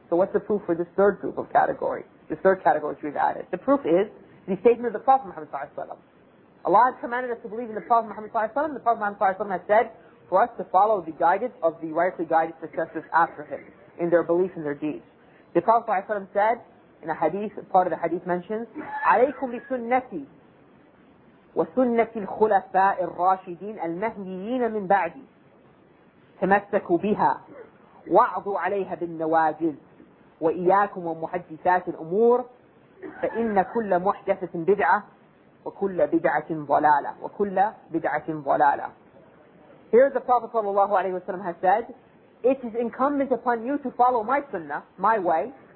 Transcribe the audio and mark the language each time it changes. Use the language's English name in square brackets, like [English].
[English] So what's the proof for this third group of category, this third category which we've added? The proof is the statement of the Prophet Muhammad sallallahu alayhi wa sallam. Allah has commanded us to believe in the Prophet Muhammad sallallahu alayhi wa sallam. The Prophet Muhammad sallallahu alayhi wa sallam has said for us to follow the guidance of the rightly guided successors after him in their belief and their deeds. The Prophet sallallahu alayhi wa sallam said in a hadith, part of the hadith mentions, [Arabic] عَلَيْكُمْ لِسُنَّتِي وَسُنَّتِ الْخُلَفَاءِ الرَّاشِدِينَ الْمَهْدِيِّينَ مِنْ بَعْدِي تَمَسَّكُوا بِهَا وَعْضُوا عَلَيْهَا بِالنَّوَاجِذِ وَإِيَّاكُمْ وَمُحَدِّثَاتِ الْأُمُورِ فَإِنَّ كُلَّ مُحْدَثَةٍ بِدْعَةٍ وَكُلَّ بِدْعَةٍ ضَلَالَةٍ وَكُلَّ بِدْعَةٍ ضَلَالَةٍ. [English] Here the Prophet sallallahu alayhi wa sallam has said, it is incumbent upon you to follow my sunnah, my way.